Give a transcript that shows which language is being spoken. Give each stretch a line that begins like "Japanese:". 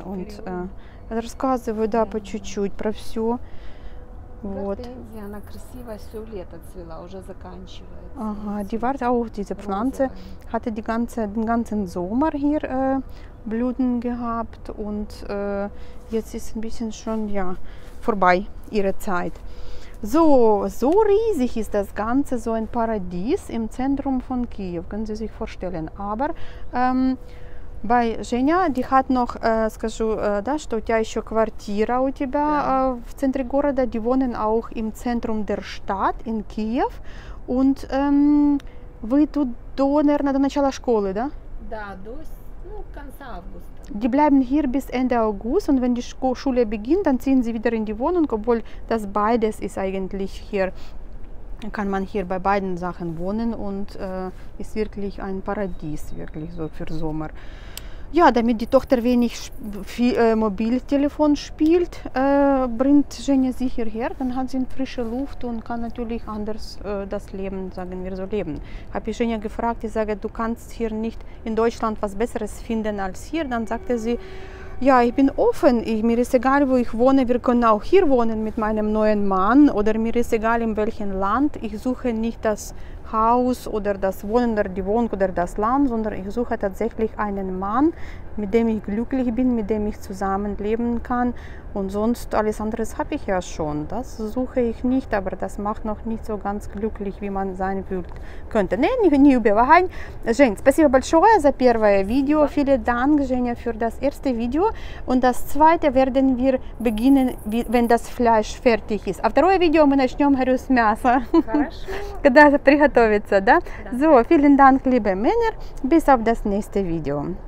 Russian: Und рассказываю, да, по чуть-чуть про все. Вот. Она красиво все лето цвела, уже заканчивается.
German: Ага, die war auch diese Pflanze, hatte die ganze, den ganzen Sommer hier Blüten gehabt, und jetzt ist ein bisschen schon, ja, vorbei ihre Zeit. So, so riesig ist das Ganze, so ein Paradies im Zentrum von Kiew, können Sie sich vorstellen. Aber bei Женя, die hat noch,
Russian: скажу, да, что у тебя еще квартира у тебя в центре города,
German: die wohnen auch im Zentrum der Stadt in Kiew, und
Russian: вы тут до, наверное, до начала школы, да? Да, до, ну, конца августа.
German: Die bleiben hier bis Ende August, und wenn die Schule beginnt, dann ziehen sie wieder in die Wohnung, obwohl das beides ist eigentlich hier, kann man hier bei beiden Sachen wohnen, und ist wirklich ein Paradies, wirklich so für Sommer. Ja, damit die Tochter wenig Mobiltelefon spielt, bringt Женя sie hierher, dann hat sie eine frische Luft und kann natürlich anders das Leben, sagen wir so, leben. Habe ich Женя gefragt, ich sage, du kannst hier nicht in Deutschland was Besseres finden als hier, dann sagte sie, ja, ich bin offen, mir ist egal, wo ich wohne, wir können auch hier wohnen mit meinem neuen Mann, oder mir ist egal, in welchem Land, ich suche nicht das Haus oder das Wohnen oder die Wohnung oder das Land, sondern ich suche tatsächlich einen Mann, mit dem ich glücklich bin, mit dem ich zusammenleben kann, und sonst alles andere habe ich ja schon, das suche ich nicht, aber das macht noch nicht so ganz glücklich, wie man sein würde, könnte.
Russian: Nein, не убивай. Жень, спасибо большое за первое видео.
German: Ja. Vielen Dank, Женя, für das erste Video, und das zweite werden wir beginnen, wenn das Fleisch fertig ist.
Russian: А второе видео мы начнем, говорю, с мяса. Хорошо. Когда приготовится, да? Да.
German: So, vielen Dank, liebe Männer, bis auf das nächste Video.